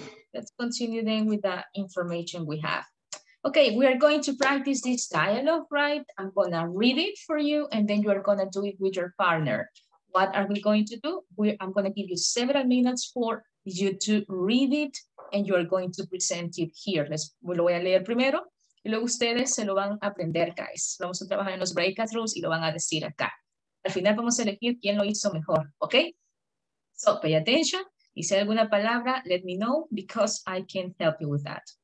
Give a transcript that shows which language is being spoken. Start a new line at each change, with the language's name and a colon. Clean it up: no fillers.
English: Let's continue then with the information we have. Ok, we are going to practice this dialogue, right? I'm going to read it for you, and then you are going to do it with your partner. What are we going to do? I'm going to give you several minutes for you to read it and you are going to present it here.
Spanish: Lo voy a leer primero y luego ustedes se lo van a aprender, guys. Vamos a trabajar en los breakout rooms y lo van a decir acá. Al final vamos a elegir quién lo hizo mejor, ¿ok?
English: So, pay attention.
Spanish: Y si hay alguna palabra,
English: let me know because I can help you with that.